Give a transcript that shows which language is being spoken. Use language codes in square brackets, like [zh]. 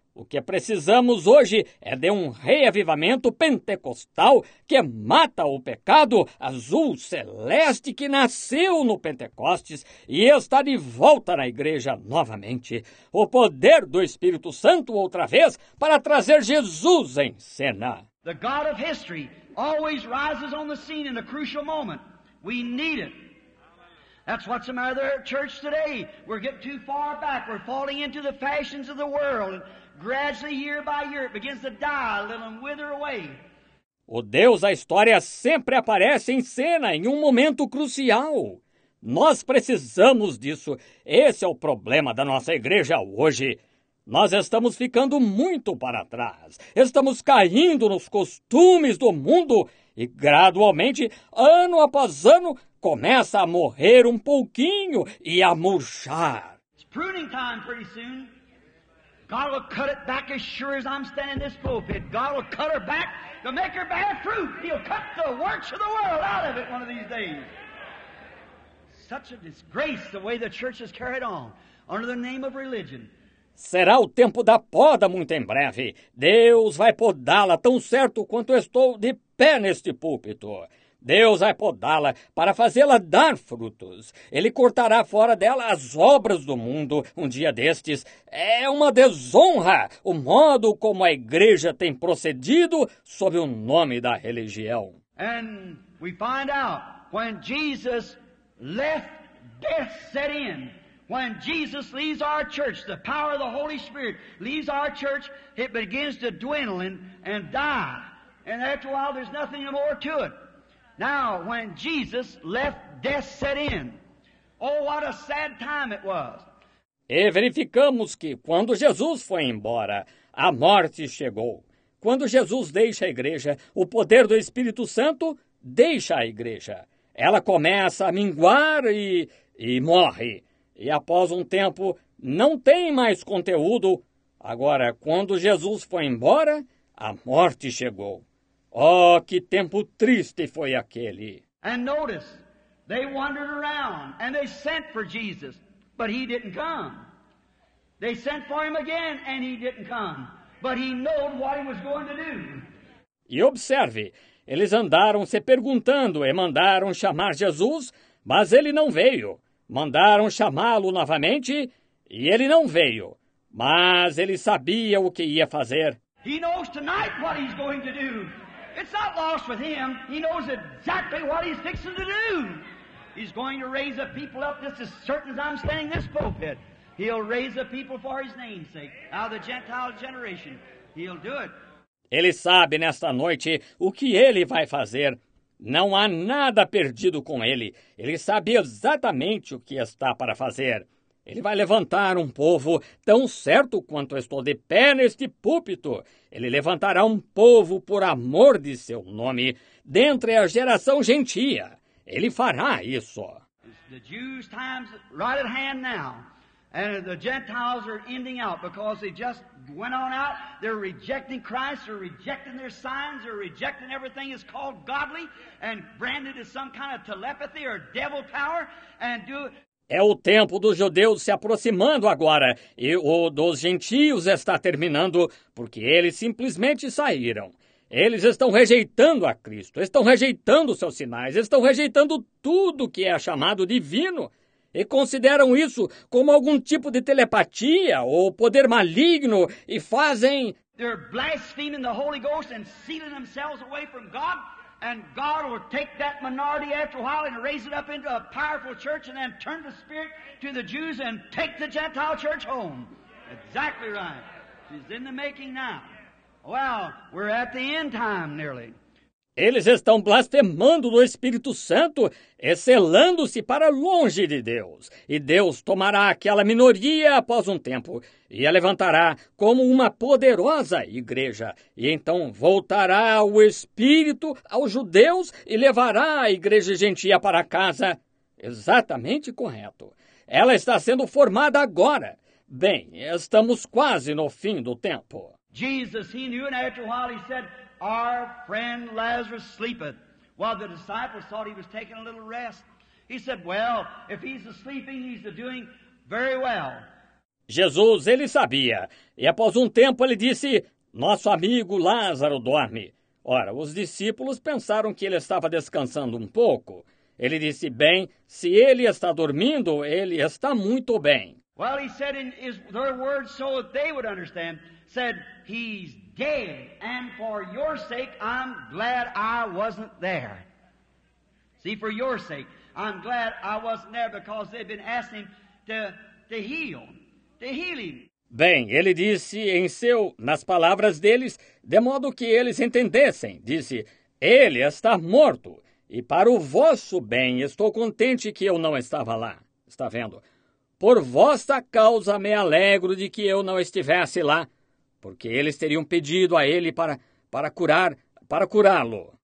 [pt] O que precisamos hoje é de um reavivamento pentecostal que mata o pecado azul celeste que nasceu no Pentecostes e está de volta na igreja novamente. O poder do Espírito Santo outra vez para trazer Jesus em cena. [en] The God of history always rises on the scene in a crucial moment. We need it. That's what's the matter at church today. We're getting too far back. We're falling into the fashions of the world. Gradually, year by year, it begins to die, let them wither away. [pt] O Deus da história sempre aparece em cena em um momento crucial. Nós precisamos disso. Esse é o problema da nossa igreja hoje. Nós estamos ficando muito para trás. Estamos caindo nos costumes do mundo e, gradualmente, ano após ano, começa a morrer um pouquinho e a murchar. [en] It's pruning time pretty soon. God will cut it back as sure as I'm standing in this pulpit. God will cut her back to make her bear fruit. He'll cut the works of the world out of it one of these days. Such a disgrace the way the church has carried on under the name of religion. [pt] Será o tempo da poda muito em breve. Deus vai podá-la tão certo quanto estou de pé neste púlpito. Deus vai podá-la para fazê-la dar frutos. Ele cortará fora dela as obras do mundo um dia destes. É uma desonra o modo como a igreja tem procedido sob o nome da religião. [en] And we find out when Jesus left death set in. When Jesus leaves our church, the power of the Holy Spirit leaves our church, it begins to dwindle and die. And after a while, there's nothing more to it. Now, when Jesus left, death set in. Oh, what a sad time it was. [pt] E verificamos que quando Jesus foi embora, a morte chegou. Quando Jesus deixa a igreja, o poder do Espírito Santo deixa a igreja. Ela começa a minguar e morre. E após um tempo, não tem mais conteúdo. Agora, quando Jesus foi embora, a morte chegou. Oh, que tempo triste foi aquele. [en] And notice, they wandered around and they sent for Jesus, but he didn't come. They sent for him again and he didn't come, but he knew what he was going to do. [pt] E observe, eles andaram se perguntando e mandaram chamar Jesus, mas ele não veio. Mandaram chamá-lo novamente e ele não veio, mas ele sabia o que ia fazer. [en] He knows tonight what he's going to do. It's not lost with him. He knows exactly what he's fixing to do. He's going to raise a people up just as certain as I'm standing this pulpit. He'll raise a people for his name's sake. Out of the Gentile generation, he'll do it. [pt] Ele sabe nesta noite o que ele vai fazer. Não há nada perdido com ele. Ele sabe exatamente o que está para fazer. Ele vai levantar um povo tão certo quanto estou de pé neste púlpito. Ele levantará um povo por amor de seu nome, dentre a geração gentia. Ele fará isso. [en] The Jews' time's right at hand now. And the Gentiles are ending out because they just went on out. They're rejecting Christ. They're rejecting their signs. They're rejecting everything that's called godly and branded as some kind of telepathy or devil power. And do it. [pt] É o tempo dos judeus se aproximando agora, e o dos gentios está terminando, porque eles simplesmente saíram. Eles estão rejeitando a Cristo, estão rejeitando seus sinais, estão rejeitando tudo que é chamado divino, e consideram isso como algum tipo de telepatia ou poder maligno, e fazem... [en] They're blaspheming the Holy Ghost and sealing themselves away from God. And God will take that minority after a while and raise it up into a powerful church and then turn the spirit to the Jews and take the Gentile church home. Exactly right. She's in the making now. Well, we're at the end time nearly. [pt] Eles estão blasfemando do Espírito Santo, excelando-se para longe de Deus. E Deus tomará aquela minoria após um tempo e a levantará como uma poderosa igreja. E então voltará o Espírito aos judeus e levará a igreja gentia para casa. Exatamente correto. Ela está sendo formada agora. Bem, estamos quase no fim do tempo. [en] Jesus, he knew, and after a while he said, our friend Lazarus sleepeth. While the disciples thought he was taking a little rest, he said, well, if he's sleeping, he's doing very well. [pt] Jesus, ele sabia. E após um tempo, ele disse, nosso amigo Lázaro dorme. Ora, os discípulos pensaram que ele estava descansando um pouco. Ele disse, bem, se ele está dormindo, ele está muito bem. [en] Well, he said in his their words so that they would understand, said, he's dead, and for your sake, I'm glad I wasn't there. See, for your sake, I'm glad I wasn't there, because they've been asking to heal him. [pt] Bem, ele disse nas palavras deles, de modo que eles entendessem, disse, ele está morto, e para o vosso bem, estou contente que eu não estava lá. Está vendo? Por vossa causa, me alegro de que eu não estivesse lá, porque eles teriam pedido a ele para curá-lo.